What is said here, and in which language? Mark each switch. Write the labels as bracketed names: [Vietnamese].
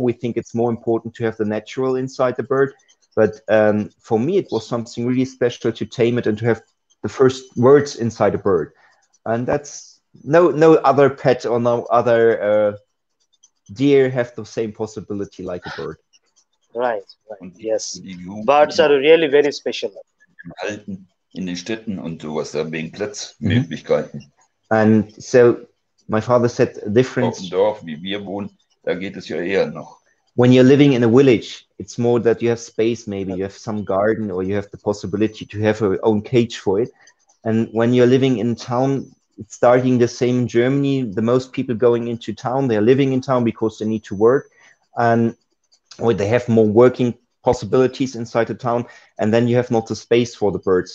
[English] We think it's more important to have the natural inside the bird. But for me, it was something really special to tame it and to have the first words inside a bird. And that's no other pet or no other deer have the same possibility like a bird. Right. Birds are really very special. [German] In den Städten und sowas, da wegen Platzmöglichkeiten. [English] And so my father said a difference. [German] Auf dem Dorf, wie wir wohnen, da geht es ja eher noch. [English] When you're living in a village, it's more that you have space, maybe you have some garden or you have the possibility to have your own cage for it. And when you're living in town, it's starting the same in Germany. The most people going into town, they're living in town because they need to work, and or they have more working possibilities inside the town, and then you have not the space for the birds.